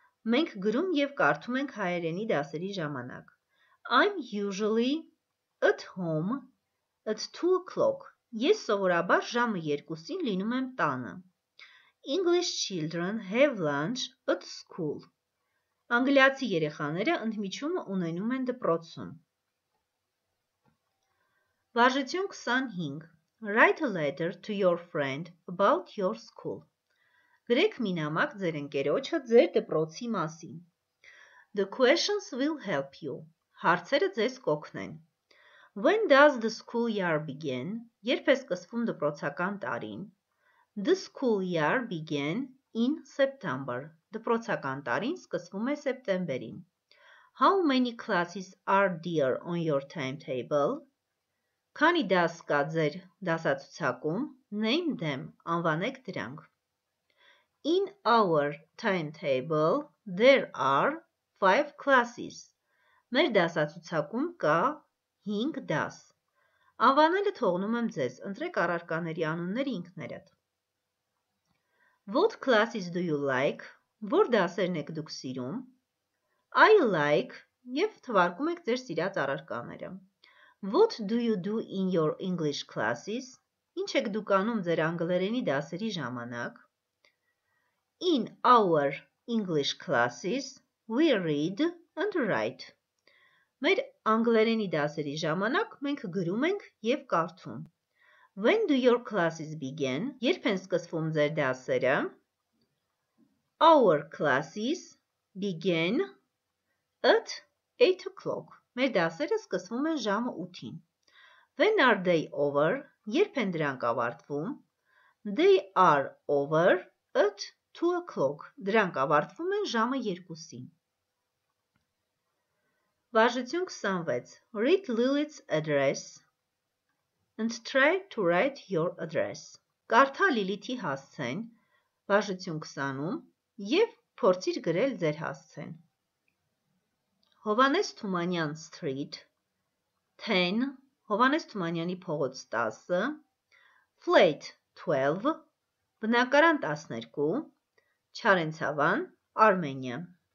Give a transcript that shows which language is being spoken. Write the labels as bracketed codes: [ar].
[hy] Մենք գրում եւ կարդում ենք հայերենի դասերի ժամանակ. [en] I'm usually at home at 2 o'clock. [hy] Ես սովորաբար ժամը 2-ին լինում եմ տանը. [en] English children have lunch at school. [hy] Անգլիացի երեխաները ընդմիջումը ունենում են դպրոցում. Վարժություն 25. [en] Write a letter to your friend about your school. [hy] Գրեք մի նամակ ձեր ընկերոջը ձեր դպրոցի մասին. [en] The questions will help you. [hy] Հարցերը ձեզ կօգնեն. [en] When does the school year begin? [hy] Երբ է սկսվում դպրոցական տարին? [en] The school year began in September. [hy] Դպրոցական տարին սկսվում է սեպտեմբերին. [en] How many classes are there on your timetable? [hy] Քանի դաս կա ձեր դասացուցակում? [en] Name them. [hy] Անվանեք դրանք. [en] In our timetable there are 5 classes. [hy] Մեր դասացուցակում կա 5 դաս։ Անվանելը թողնում եմ ձեզ, ընտրեք առարկաների անունները ինքներդ։ [en] What classes do you like? [hy] Որ դասերն եք դուք սիրում? [en] I like [hy] եւ թվարկում եք ձեր սիրած առարկաները։ [en] What do you do in your English classes? [hy] Ինչ եք դուք անում ձեր անգլերենի դասերի ժամանակ? [en] In our English classes we read and write. [hy] Մեր անգլերենի դասերի ժամանակ մենք գրում ենք եւ կարդում։ [en] When do your classes begin? [hy] Երբ են սկսվում ձեր դասերը? [en] Our classes begin at 8 o'clock. [hy] Մեր դասերը սկսվում են ժամը 8-ին։ [en] When are they over? [hy] Երբ են դրանք ավարտվում? [en] They are over at 2 o'clock. [hy] Դրանք ավարտվում են ժամը 2-ին։ Վարժություն 26. [en] Read Lilith's address and try to write your address. [hy] Կարդա Լիլիթի հասցեն, վարժություն 20-ում, եւ փորձիր գրել ձեր հասցեն. Հովանես Թումանյան Street 10, Հովանես Թումանյանի փողոց 10, Flat 12, բնակարան 12, Չարենցավան, Armenia.